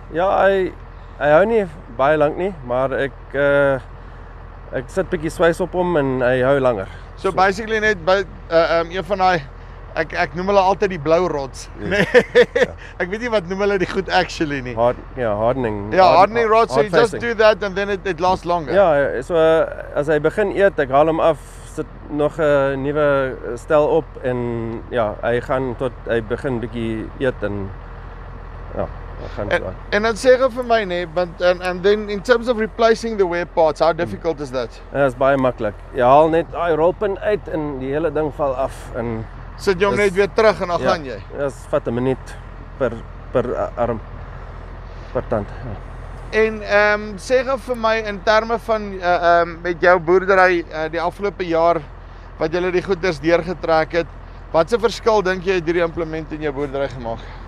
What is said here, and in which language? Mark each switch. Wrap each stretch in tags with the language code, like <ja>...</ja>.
<af>Hy hou nie baie lank nie, maar ek sit bietjie swys op hom en hy hou langer. So basically net by een van daai Ek noem hulle altyd die blou rods. Yes. Nee. Yeah. Ek weet nie wat noem hulle die goed actually nie.</af> <en>Hardening. Ja, hardening rods, hard so you just do that and then it lasts longer.</en> <af>Ja, yeah, so as hy begin eet, ek haal hom af, sit nog 'n nuwe stel op en ja, hy gaan tot hy begin bietjie eet en ja, gaan en dan sê hy vir my nee, want</af> <en>and then in terms of replacing the wear parts, how difficult is that?</en> <af>Ja, is baie maklik. Jy haal net daai rolpin uit en die hele ding val af en sit jy hom net weer terug en dan gaan jy. Ja, is vat 'n minuut per arm per tand. Ja. En sê gou vir my in terme van met jou boerdery die afgelope jaar wat jy die goeders deurgetrek het, watse verskil dink jy het hierdie implement in jou boerdery gemaak?</af>